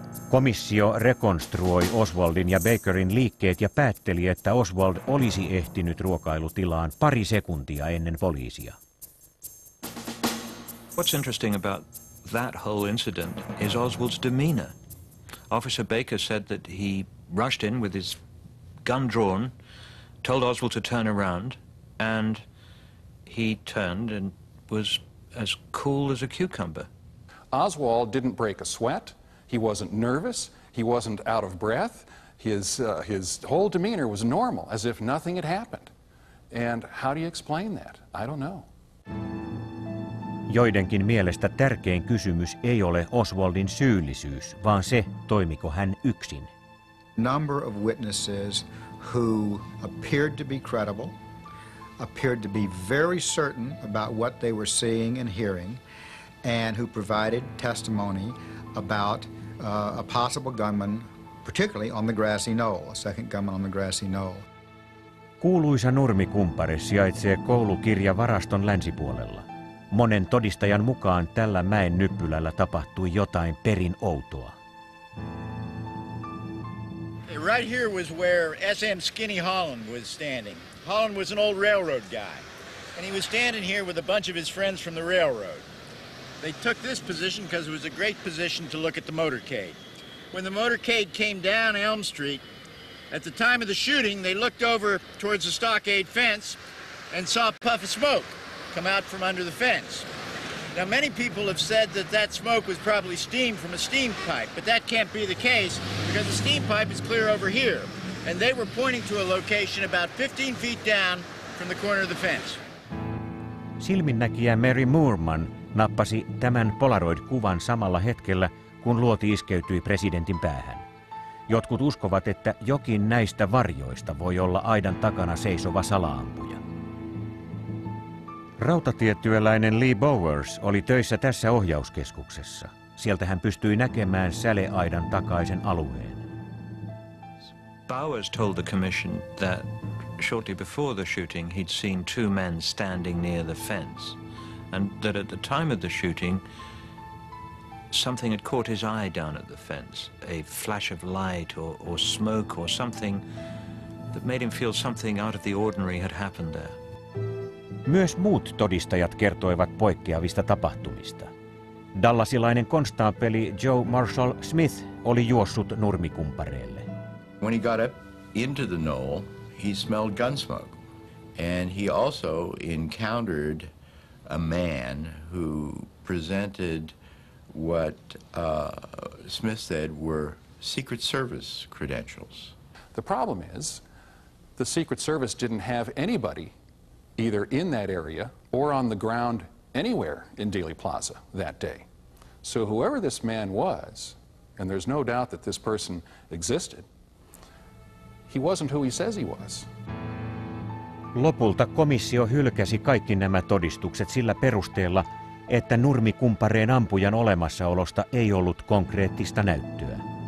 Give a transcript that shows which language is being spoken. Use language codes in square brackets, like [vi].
[fi] Komissio rekonstruoi Oswaldin ja Bakerin liikkeet ja päätteli, että Oswald olisi ehtinyt ruokailutilaan pari sekuntia ennen poliisia. [en] What's interesting about that whole incident is Oswald's demeanor. Officer Baker said that he rushed in with his gun drawn, told Oswald to turn around, and he turned and was as cool as a cucumber. Oswald didn't break a sweat. He wasn't nervous. He wasn't out of breath. His whole demeanor was normal, as if nothing had happened. And how do you explain that? I don't know. [fi] Joidenkin mielestä tärkein kysymys ei ole Oswaldin syyllisyys, vaan se, toimiko hän yksin. [en] Number of witnesses who appeared to be credible, appeared to be very certain about what they were seeing and hearing, and who provided testimony about a possible gunman, particularly on the grassy knoll, a second gunman on the grassy knoll. [fi] Kuuluisa nurmikumpare sijaitsee koulukirjavaraston länsipuolella. Monen todistajan mukaan tällä mäen nyppylällä tapahtui jotain perin outoa. [en] Right here was where S.M. Skinny Holland was standing. Holland was an old railroad guy. And he was standing here with a bunch of his friends from the railroad. They took this position because it was a great position to look at the motorcade. When the motorcade came down Elm Street, at the time of the shooting, they looked over towards the stockade fence and saw a puff of smoke come out from under the fence. Now, many people have said that that smoke was probably steam from a steam pipe, but that can't be the case because the steam pipe is clear over here. And they were pointing to a location about 15 feet down from the corner of the fence. [fi] Silminnäkijä Mary Moorman nappasi tämän Polaroid-kuvan samalla hetkellä, kun luoti iskeytyi presidentin päähän. Jotkut uskovat, että jokin näistä varjoista voi olla aidan takana seisova sala-ampuja. Rautatietyöläinen Lee Bowers oli töissä tässä ohjauskeskuksessa. Sieltä hän pystyi näkemään säleaidan takaisen alueen. [en] Bowers told the commission that shortly before the shooting he'd seen two men standing near the fence. And that at the time of the shooting, something had caught his eye down at the fence. A flash of light or smoke or something that made him feel something out of the ordinary had happened there. [fi] Myös muut todistajat kertoivat poikkeavista tapahtumista. Dallasilainen konstaapeli Joe Marshall Smith oli juossut nurmikumpareelle. [en] When he got up into the knoll, he smelled gun smoke. And he also encountered a man who presented what Smith said were Secret Service credentials. The problem is, the Secret Service didn't have anybody either in that area or on the ground anywhere in Dealey Plaza that day. So whoever this man was, and there's no doubt that this person existed, he wasn't who he says he was. [fi] Lopulta komissio hylkäsi kaikki nämä todistukset sillä perusteella, että nurmikumpareen ampujan olemassaolosta ei ollut konkreettista näyttöä.